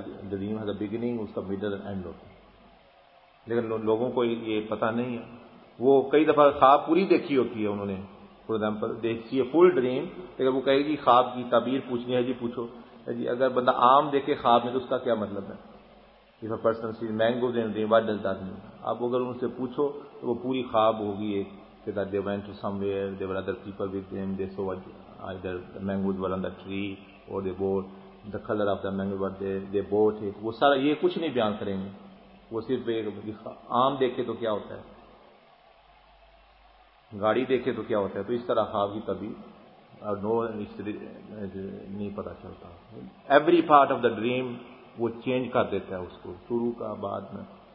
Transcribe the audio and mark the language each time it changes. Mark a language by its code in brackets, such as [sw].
[en] dream has a beginning, [ur] اس کا middle and ہوتا ہے, لیکن لوگوں کو یہ پتہ نہیں ہے. وہ کئی دفعہ خواب پوری دیکھی ہوتی ہے انہوں نے, [en] for example [ur] دیکھی ہے [en] full dream, [ur] لیکن وہ کہے گی خواب کی تعبیر پوچھنی ہے, جی پوچھو جی. اگر بندہ عام دیکھے خواب میں تو اس کا کیا مطلب ہے؟ [en] If a person sees mango then they what does that mean? [ur] آپ اگر ان سے پوچھو تو وہ پوری خواب ہوگی ایک, کہ [en] That they went somewhere, they were other people with them, they saw other mangoes were on the tree, اور they bought the colour of the mango, they bought it. [ur] وہ سارا یہ کچھ نہیں بیان کریں گے, وہ صرف ایک عام دیکھے تو کیا ہوتا ہے, گاڑی دیکھے تو کیا ہوتا ہے, تو اس طرح خواب کی تبھی اور نو نہیں پتا چلتا. [en] every part of the dream [ur] وہ چینج کر دیتا ہے اس کو, شروع کا بعد میں.